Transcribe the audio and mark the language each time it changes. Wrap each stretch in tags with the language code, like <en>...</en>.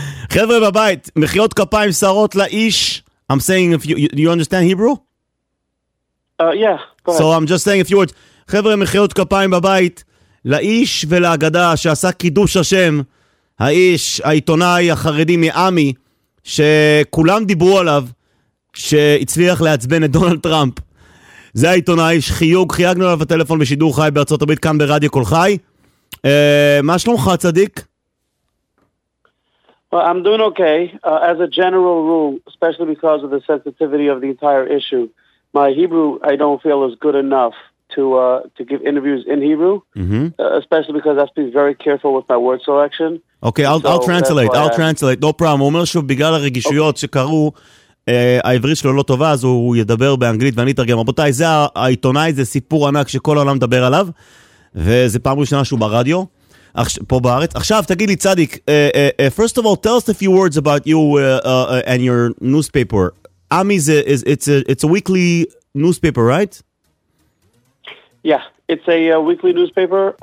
<he>חבר'ה בבית, מחיאות כפיים שרות לאיש.</he> <en>I'm saying, if you understand Hebrew? Yeah, go ahead. So I'm just saying a few words.</en> <he>חבר'ה, מחיאות כפיים בבית, לאיש ולהגדה שעשה קידוש השם, האיש, העיתונאי החרדי מאמי, שכולם דיברו עליו, שהצליח להצבן את דונלד טראמפ. זה העיתונאי, שחיוג, חייגנו עליו הטלפון בשידור חי בארצות הברית, כאן ברדיו קול חי. מה שלומך, צדיק?</he> <en>Well, I'm doing okay. As a general rule, especially because of the sensitivity of the entire issue, my Hebrew, I don't feel is good enough to give interviews in Hebrew, especially because I have to be very careful with my word selection. Okay, I'll translate. No problem.</en> <he>הוא אומר שוב, בגלל הרגישויות שקרו, העברית שלו לא טובה, אז הוא ידבר באנגלית ואני אתרגם. רבותיי, זה העיתונאי, זה סיפור ענק שכל העולם מדבר עליו, וזה פעם ראשונה שהוא ברדיו, פה בארץ. עכשיו, תגיד לי, צדיק,</he> <en>first of all, tell us a few words about you and your newspaper. Ami it's a weekly newspaper, right? Yeah, it's a weekly newspaper.</en>